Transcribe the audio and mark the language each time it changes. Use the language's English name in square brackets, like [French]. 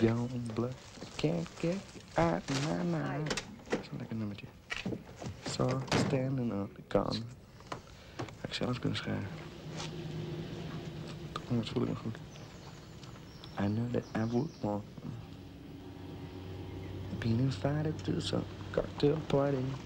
[English] Young blood. I can't get you out of my mind. [Dutch] Dat is een lekker nummertje. [English] So, standing on the corner. [Dutch] Had ik zelf kunnen schrijven. Toch nog voel ik me goed. [English] I know that I would want been invited to some cocktail party.